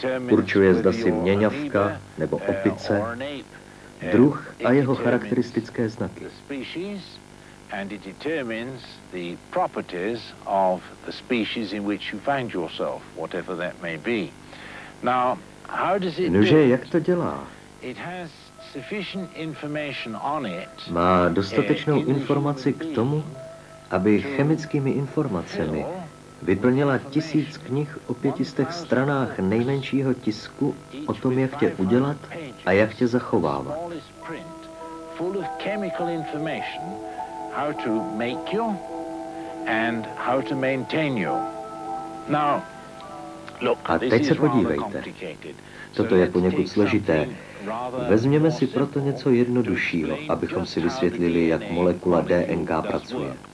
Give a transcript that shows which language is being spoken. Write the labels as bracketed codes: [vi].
[cs] Určuje, zda si měňavka nebo opice, druh a jeho charakteristické znaky. [en] And it determines the properties of the species in which you find yourself, whatever that may be. Now, how does it do? [cs] Nože, jak to dělá? [en] It has sufficient information on it. [cs] Má dostatečnou informaci k tomu, aby chemickými informacemi vyplnila 1000 knih o 500 stranách nejmenšího tisku o tom, jak tě udělat a jak tě zachovávat. [en] Full of chemical information. How to make you and how to maintain you. Now, look, [cs] a teď se podívejte. Toto je poněkud složité. Vezměme si proto něco jednoduššího, abychom si vysvětlili, jak molekula DNK pracuje.